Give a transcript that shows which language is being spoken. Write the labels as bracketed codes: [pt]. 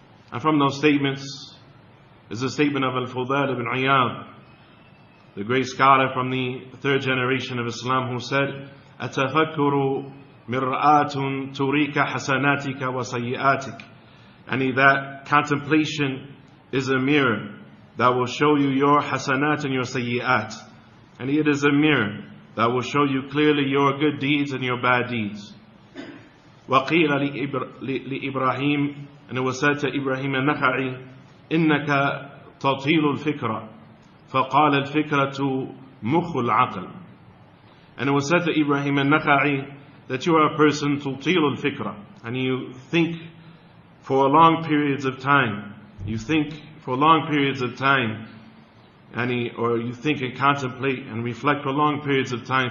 [en] And from those statements is a statement of Al-Fudail ibn Iyad, the great scholar from the third generation of Islam, who said, [ar] أَتَفَكُّرُ مِرْآةٌ تُرِيكَ حَسَنَاتِكَ وَسَيِّئَاتِكَ. [en] And that contemplation is a mirror that will show you your hasanat and your sayyi'at. And it is a mirror that will show you clearly your good deeds and your bad deeds. [ar] وَقِيلَ لِإِبْرَاهِيمِ, [en] and it was said to Ibrahim al-Nakhai, [ar] إِنَّكَ تَطِيلُ الْفِكْرَ فَقَالَ الْفِكْرَةُ مُخُّ الْعَقْلِ. [en] And it was said to Ibrahim al-Nakhai that you are a person, [ar] تُطِيلُ الْفِكْرَ, [en] and you think for long periods of time. You think for long periods of time, or you think and contemplate and reflect for long periods of time.